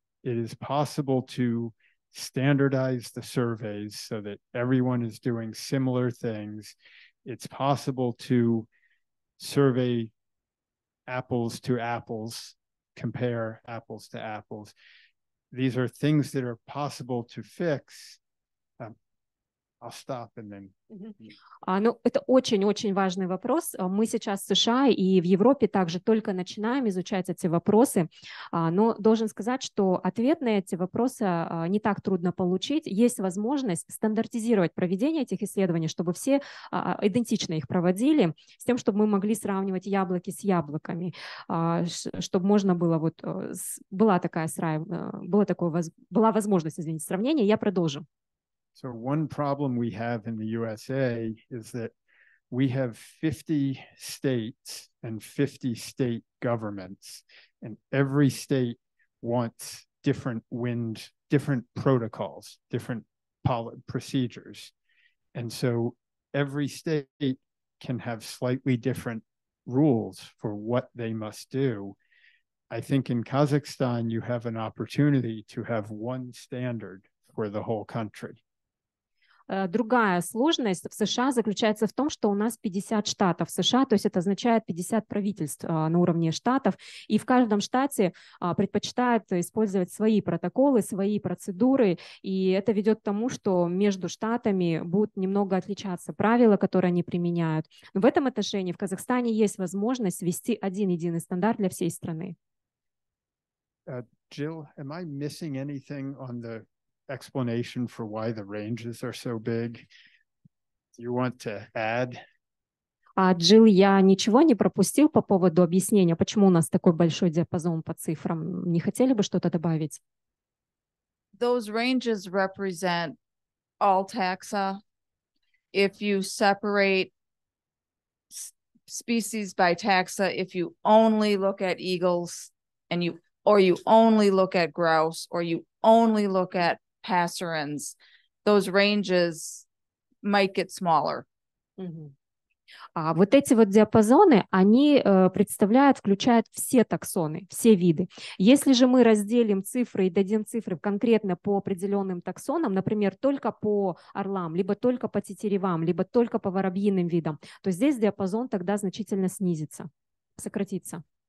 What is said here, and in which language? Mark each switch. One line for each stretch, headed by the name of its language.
English: It is possible to standardize the surveys so that everyone is doing similar things. It's possible to survey apples to apples, compare apples to apples. These are things that are possible to fix. I'll stop and then...
Russian: Ну, это очень-очень важный вопрос. Мы сейчас в США и в Европе также только начинаем изучать эти вопросы, но должен сказать, что ответ на эти вопросы не так трудно получить. Есть возможность стандартизировать проведение этих исследований, чтобы все идентично их проводили, с тем, чтобы мы могли сравнивать яблоки с яблоками, чтобы можно было вот... Была возможность, извините, сравнения. Я продолжу.
English: So one problem we have in the USA is that we have 50 states and 50 state governments, and every state wants different protocols, different procedures. And so every state can have slightly different rules for what they must do. I think in Kazakhstan, you have an opportunity to have one standard for the whole country.
Russian: Другая сложность в США заключается в том, что у нас 50 штатов США, то есть это означает 50 правительств на уровне штатов, и в каждом штате предпочитают использовать свои протоколы, свои процедуры, и это ведет к тому, что между штатами будут немного отличаться правила, которые они применяют. Но в этом отношении в Казахстане есть возможность ввести один единый стандарт для всей страны.
English: Jill, am I missing anything on the... explanation for why the ranges are so big? Do you want to add?
Russian: Джилл, я ничего не пропустил по поводу объяснения, почему у нас такой большой диапазон по цифрам. Не хотели бы что-то добавить?
English: Those ranges represent all taxa. If you separate species by taxa, if you only look at eagles, or you only look at grouse, or you only look at passerines, those ranges might get smaller.
Russian: А вот эти вот диапазоны, они представляют, включают все таксоны, все виды. Если же мы разделим цифры и дадим цифры конкретно по определенным таксонам, например, только по орлам, либо только по тетеревам, либо только по воробьиным видам, то здесь диапазон тогда значительно снизится, сократится.